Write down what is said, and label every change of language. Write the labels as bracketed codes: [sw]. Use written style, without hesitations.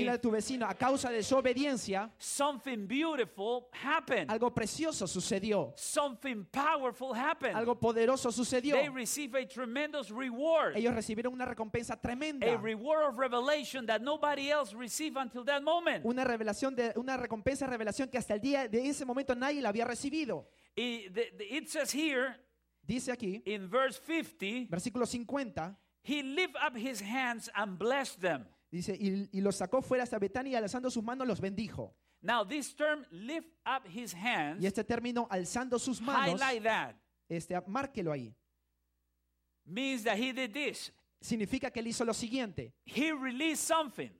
[es] dile a tu vecino, a causa de su obediencia, [en] something beautiful happened. [es] Algo precioso sucedió. [en] Something powerful happened. [es] Algo poderoso sucedió. [en] They receive a tremendous reward. [es] Ellos recibieron una recompensa tremenda. [en] A reward of revelation that nobody else received until that moment. [es] Una recompensa de revelación que hasta el día de ese momento nadie la había recibido. [en] It says here. [es] Dice aquí, [en] in verse 50, [es] versículo 50, [en] he lift up his hands and blessed them. [es] Dice, y los sacó fuera hasta Betania y alzando sus manos los bendijo. [en] Now this term, lift up his hands, [es] y este término, alzando sus manos, [en] highlight that, [es] márquelo ahí. [en] Means that he did this. [es] Significa que él hizo lo siguiente. [en] He released something.